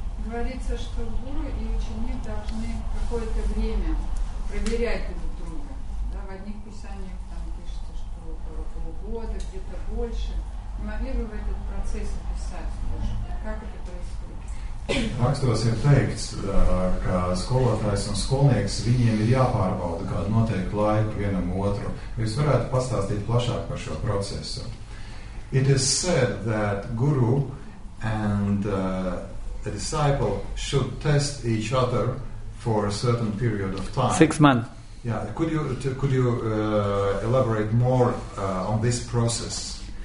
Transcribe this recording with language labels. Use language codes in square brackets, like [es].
[ru] Говорится, что гуру и ученик должны какое-то время проверять друг друга. Да, в одних писаниях там пишется, что около полугода, где-то больше. Не могли бы в этот процесс описать больше? Как это происходит? [lv] Rakstos ir teikts, ka skolotājs un skolnieks viņiem ir jāpārbauda kādu noteiktu laiku vienam otru. Jūs varētu pastāstīt plašāk par šo procesu. [en] It is said that guru and a disciple should test each other for a certain period of time. 6 months. Yeah. Could you elaborate more on this process?